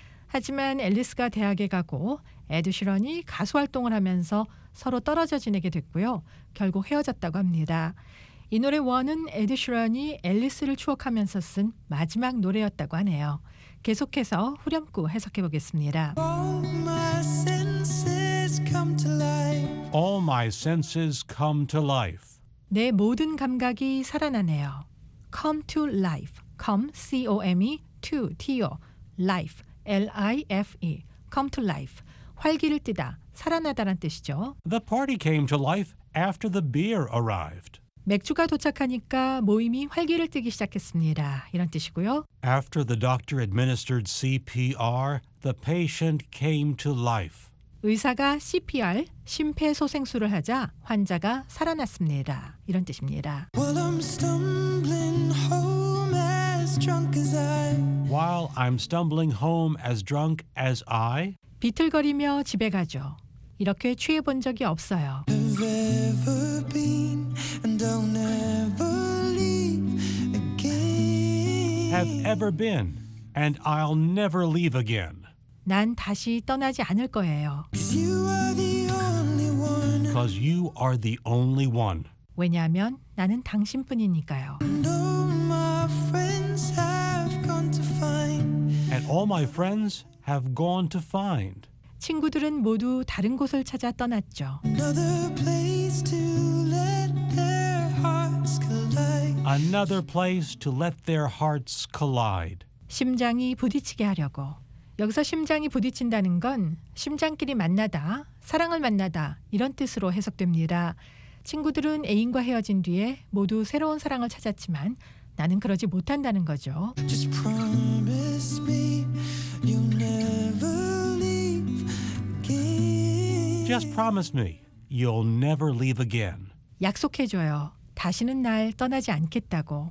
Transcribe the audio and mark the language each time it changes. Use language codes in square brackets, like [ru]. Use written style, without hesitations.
[ko] 하지만 앨리스가 대학에 가고 에드 슈런이 가수 활동을 하면서 서로 떨어져 지내게 됐고요. 결국 헤어졌다고 합니다. 이 노래 원은 에드 슈런이 앨리스를 추억하면서 쓴 마지막 노래였다고 하네요. 계속해서 후렴구 해석해 보겠습니다. [en] All my senses come to life. [ko] 내 모든 감각이 살아나네요. [en] Come to life. Come, C-O-M-E, to, T-O, life, L-I-F-E. Come to life. [ko] 활기를 띠다, 살아나다란 뜻이죠. [en] The party came to life after the beer arrived. [ko] 맥주가 도착하니까 모임이 활기를 띠기 시작했습니다. 이런 뜻이고요. [en] After the doctor administered CPR, the patient came to life. [ko] 의사가 CPR, 심폐소생술을 하자 환자가 살아났습니다. 이런 뜻입니다. [en] While I'm stumbling home as drunk as I. While I'm stumbling home as drunk as I. [ko] 비틀거리며 집에 가죠. 이렇게 취해 본 적이 없어요. [en] I've ever been and I'll never leave again. Have ever been and I'll never leave again. [ko] 난 다시 떠나지 않을 거예요. [en] You are the only one. Because you are the only one. [ko] 왜냐하면 나는 당신뿐이니까요. [en] And all my friends have gone to find. And all my friends have gone to find. [ko] 친구들은 모두 다른 곳을 찾아 떠났죠. [en] Another place to let their hearts collide. Another place to let their hearts collide. [ko] 심장이 부딪히게 하려고. 여기서 심장이 부딪힌다는 건 심장끼리 만나다, 사랑을 만나다 이런 뜻으로 해석됩니다. 친구들은 애인과 헤어진 뒤에 모두 새로운 사랑을 찾았지만 나는 그러지 못한다는 거죠. [en] Just promise me you'll never leave again. Just promise me you'll never leave again. [ko] 약속해줘요. 다시는 날 떠나지 않겠다고.